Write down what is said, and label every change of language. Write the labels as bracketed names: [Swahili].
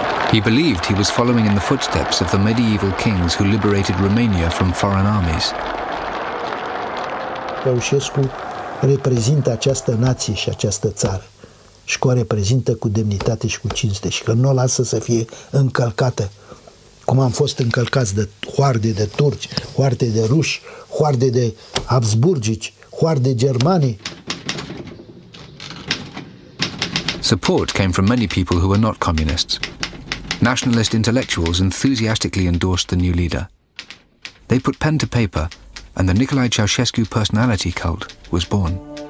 [English] He believed he was following in the footsteps of the medieval kings who liberated Romania from foreign armies. [Romanian] Ceaușescu reprezintă această nație și această țară și că o reprezintă cu demnitate și cu cinste și că nu o lasă să fie încălcată cum am fost încălcați de hoarde de turci, hoarde de ruși, hoarde de habsburgici, hoarde germani. [English] Support came from many people who were not communists. Nationalist intellectuals enthusiastically endorsed the new leader. They put pen to paper, and the Nicolae Ceaușescu personality cult was born.